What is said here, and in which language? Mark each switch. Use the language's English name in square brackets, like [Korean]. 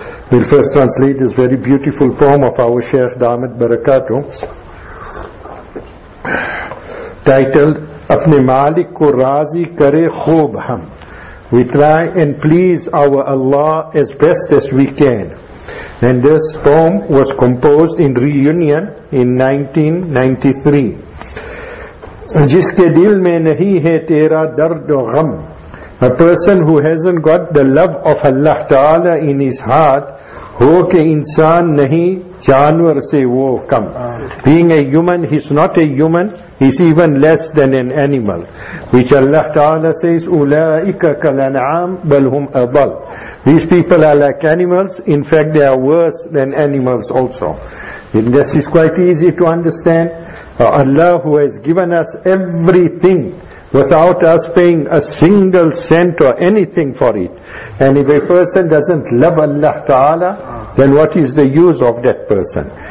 [English] We'll first translate this very beautiful poem of our Sheikh Damat Barakatuh titled [Urdu] اپنے مالک کو راضی کرے خوب ہم. [English] We try and please our Allah as best as we can. And this poem was composed in reunion in 1993. [Urdu] جس کے دل میں نہیں ہے تیرا درد و غم. [English] A person who hasn't got the love of Allah Ta'ala in his heart, [Urdu] ہو کے انسان نہیں جانور سے وہ کم. [English] Being a human, he's not a human, he's even less than an animal. Which Allah Ta'ala says, [Arabic] أُولَٰئِكَ كَلَنْعَامْ بَلْ هُمْ أَضَلْ. [English] These people are like animals, in fact they are worse than animals also. And this is quite easy to understand. Allah who has given us everything without us paying a single cent or anything for it. And if a person doesn't love Allah Ta'ala, then what is the use of that person?